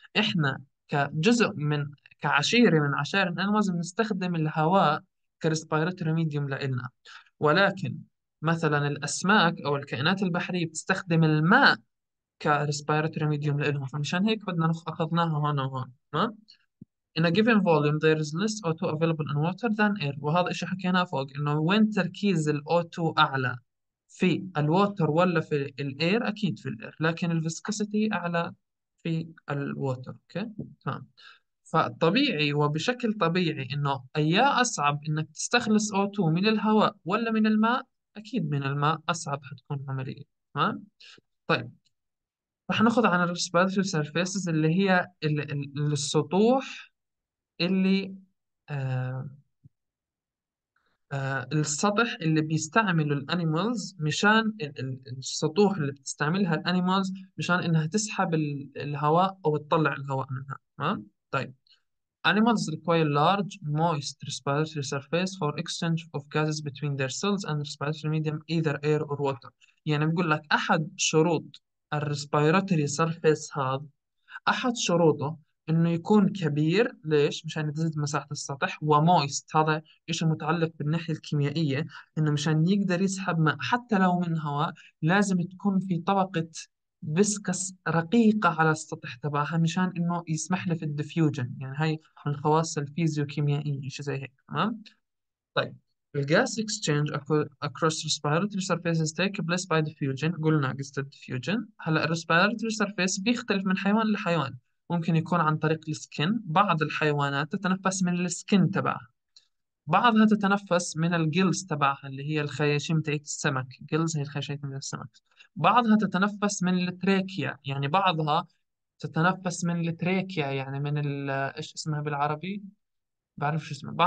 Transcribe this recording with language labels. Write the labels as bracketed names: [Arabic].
[Arabic] احنا كجزء من كعشيره من عشائر الانيمالز بنستخدم الهواء كريسبيراتوري ميديوم لإلنا، ولكن مثلا الاسماك او الكائنات البحريه بتستخدم الماء كريسبيراتوري ميديوم لإلهم. فمشان هيك بدنا اخذناها هون وهون. [English] تمام؟ In a given volume, there is less O2 available in water than air. [Arabic] وهذا الشيء حكيناه فوق، انه وين تركيز الO2 اعلى، في الووتر ولا في الاير؟ اكيد في الاير، لكن الفيسكوسيتي اعلى في الووتر. اوكي، تمام. فطبيعي وبشكل طبيعي انه اي اصعب انك تستخلص O2 من الهواء ولا من الماء؟ اكيد من الماء اصعب حتكون العمليه. تمام. طيب، رح ناخذ عن الريسبيراتوري سيرفيسز اللي هي السطوح اللي السطح اللي بيستعمله الانيمالز، مشان السطوح اللي بتستعملها الانيمالز مشان انها تسحب الهواء او تطلع الهواء منها. تمام. [English] طيب، animals require large moist respiratory surface for exchange of gases between their cells and respiratory medium either air or water. [Arabic] يعني بقول لك احد شروط الريسبيراتوري سيرفيس هذا، احد شروطه انه يكون كبير. ليش؟ مشان تزيد مساحه السطح. ومويست هذا شيء متعلق بالناحيه الكيميائيه، انه مشان يقدر يسحب ماء حتى لو من هواء، لازم تكون في طبقه فيسكس رقيقه على السطح تبعها مشان انه يسمح له في الديفيوجن. يعني هاي من خواص الفيزيوكيميائيه، شيء زي هيك. تمام. [English] طيب، الغاز exchange across respiratory surfaces take place by diffusion. [Arabic] قلنا قصه الديفيوجن. هلا الريسبيراتوري سيرفيس بيختلف من حيوان لحيوان، ممكن يكون عن طريق السكن. بعض الحيوانات تتنفس من السكن تبعها، بعضها تتنفس من الجلز تبعها اللي هي الخياشيم تاعت السمك. جلز هي الخياشيم تاعت السمك. بعضها تتنفس من التريكيا، يعني بعضها تتنفس من التريكيا، يعني من ايش اسمها بالعربي؟ بعرف شو اسمها.